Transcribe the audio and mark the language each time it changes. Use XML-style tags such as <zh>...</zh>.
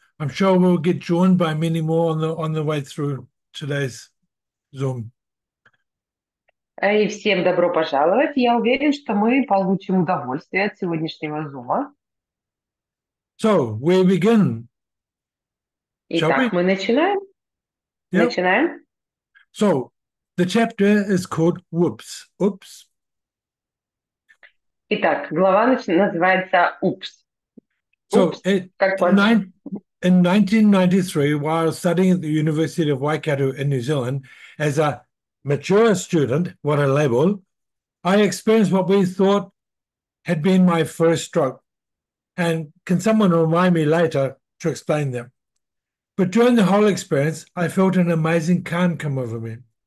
<en>I'm sure we'll get joined by many more on the way through today's Zoom.</en> <ru>И всем добро пожаловать. Я уверен, что мы получим удовольствие от сегодняшнего зума.</ru> <en>So we begin, shall</en> <ru>Итак, мы начинаем.</ru> <en>Yep.</en> <ru>Начинаем.</ru> <en>So the chapter is called Whoops. Oops.</en> <ru>Итак, глава называется «Упс».</ru> <en>So</en> <ru>Упс, как по-английски.</ru> <en>in 1993, while studying at the University of Waikato in New Zealand as a mature student, what a label, I experienced what we thought had been my first stroke. And can someone remind me later to explain them? But during the whole experience, I felt an amazing calm come over me.</en>